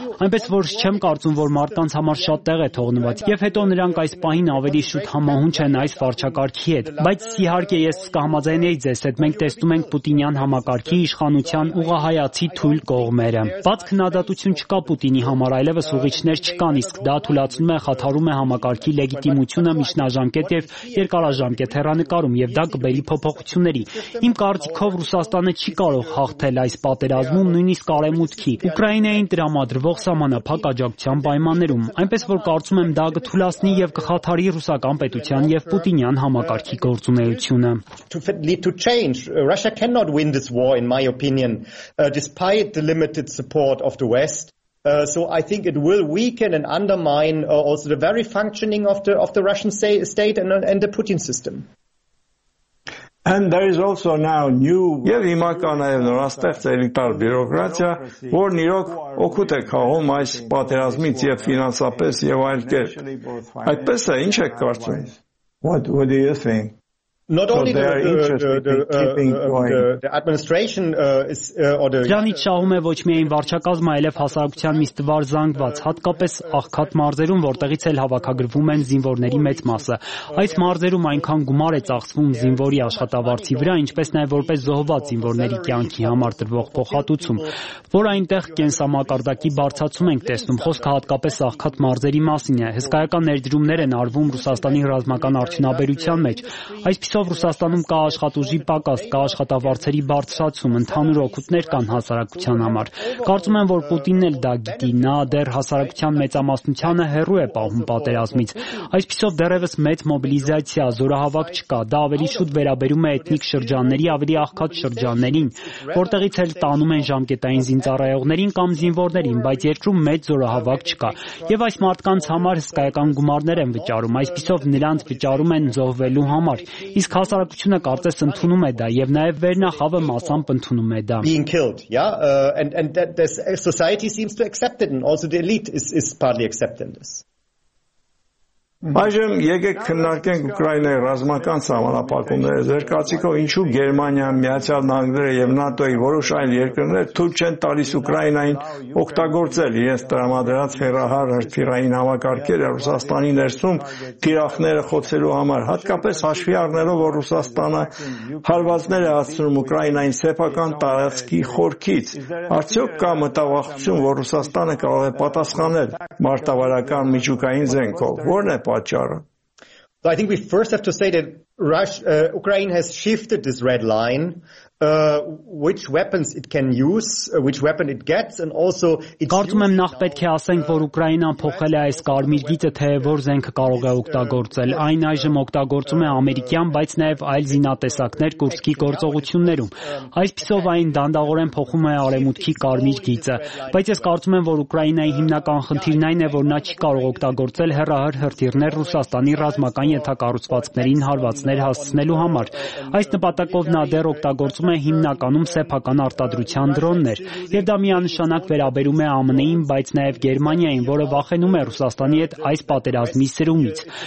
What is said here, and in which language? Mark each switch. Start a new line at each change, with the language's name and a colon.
Armenian: Այնպես որ չեմ կարծում, որ մարդկանց համար շատ տեղ է թողնված, եւ հետո նրանք այս պահին ավելի շուտ համահունչ են այս վարչակարգի հետ։ Բայց իհարկե ես կհամաձայնեի ձեզ հետ, մենք տեսնում ենք Պուտինյան համակարգի իշխանության ուղղահայացի թույլ կողմերը։ Բաց քննադատություն չկա Պուտինի համար, այլևս ուղիչներ չկան, իսկ դա թույլատրում է, խաթարում է համակարգի լեգիտիմությունը միջնաժամկետ եւ երկարաժամկետ հեռանկարում, եւ դա կբերի փոփոխությունների։ Իմ կարծիքով Ռուսաստանը չի կարող հաղթել այս պատերազմում, նույնիսկ մուտքի Ուկրաինային դրամադրվող սահմանափակ աջակցության պայմաններում, այնպես որ կարծում եմ, դա կթուլացնի եւ կխաթարի ռուսական պետության եւ Պուտինյան համակարգի գործունեությունը։
English: Russia cannot win this war in my opinion, despite the limited support of the West. So I think it will weaken and undermine also the very functioning of the Russian state and the Putin system. And there is also now new
Armenian: Եվ հիմա կա նաև նորաստեղ ցերիտար բյուրոկրատիա, որն իրոք օգուտ է քաղում այս պատերազմից եւ ֆինանսապես եւ այլ կերպ։ Այդպես է, ինչ եք կարծում։
English: What do you think? Not only the administration is
Armenian: Ջանիչ շահում է ոչ միայն վարչակազմը, այլև հասարակության միստ վար զանգված, հատկապես աղքատ մարզերում, որտեղից էլ հավաքագրվում են զինվորների մեծ մասը։ Այս մարզերում այնքան գումար է ծախսվում զինվորի աշխատավարձի վրա, ինչպես նաև որպես զոհված զինվորների կյանքի համար տրվող փոխհատուցում, որ այնտեղ կենսամակարդակի բարձացում ենք տեսնում, խոսքը հատկապես աղքատ մարզերի մասին է։ Հսկայական ներդրումներ են արվում Ռուսաստանի ռազմական արդյունաբերության մեջ։ Այսպիսով Ռուսաստանում կա աշխատուժի պակաս, կա աշխատավարձերի բարձրացում, ընդհանուր օգուտներ կան հասարակության համար։ Կարծում եմ, որ Պուտինն էլ դա գիտի, նա դեռ հասարակության մեծամասնությանը հեռու է պահում պատերազմից։ Այսպիսով դեռևս մեծ մոբիլիզացիա, զորահավաք չկա, դա ավելի շուտ վերաբերում է էթնիկ շրջանների, ավելի աղքատ շրջաններին, որտեղից էլ տանում են ժամկետային զինծառայողներին կամ զինվորներին, բայց երկրում մեծ զորահավաք չկա։ Եվ այս մարդկանց համար հսկայական գումարներ են վճարում, այսպիսով նրանց վճարում են զոհվելու համար։ Իսկ հասարակությունը կարծես ընդունում է դա, եւ նաեւ վերնախավը մասամբ ընդունում է դա։
English: Being killed, yeah, and that this society seems to accept it, and also the elite is partly accepting this.
Armenian: Բայց եկեք քննարկենք Ուկրաինայի ռազմական սահմանապակումները։ Ձեր կարծիքով ինչու Գերմանիան, Միացյալ Նահանգները եւ ՆԱՏՕ-ի որոշ այլ երկրները թույլ չեն տալիս Ուկրաինային օգտագործել իրենց տրամադրած հեռահար հրթիռային համակարգերը Ռուսաստանի ներսում գիրախները խոցելու համար, հատկապես հաշվի առնելով, որ Ռուսաստանը հարվածներ է հասցնում Ուկրաինային սեփական տարածքի խորքից։ Արդյոք կա մտավախություն, որ Ռուսաստանը կարող է պատասխանել մարտավարական միջուկային զենքով, որը
English: So I think we first have to say that Ukraine has shifted this red line. Which weapons it can use, which weapon it gets, and also its
Armenian: Կարծում եմ նախ պետք է ասենք, որ Ուկրաինան փոխել է այս կարմիր գիծը, թե որ զենքը կարող է օգտագործել։ Այն այժմ օգտագործում է ամերիկյան, բայց նաև այլ զինատեսակներ Կուրսկի գործողություններում։ Այսպիսով այն դանդաղորեն փոխում է արևմուտքի կարմիր գիծը, բայց ես կարծում եմ, որ Ուկրաինայի հիմնական խնդիրն այն է, որ նա չի կարող օգտագործել հեռահար հրթիռներ Ռուսաստանի ռազմական ենթակառուցվածքներին հարվածներ հասցնելու համար։ Այս նպատակով նա դեռ օգտագործում է հիմնականում սեփական արտադրության դրոններ, եւ դա միանշանակ վերաբերում է ԱՄՆ-ին, բայց նաեւ Գերմանիային, որը վախենում է Ռուսաստանի հետ այս պատերազմի սերումից։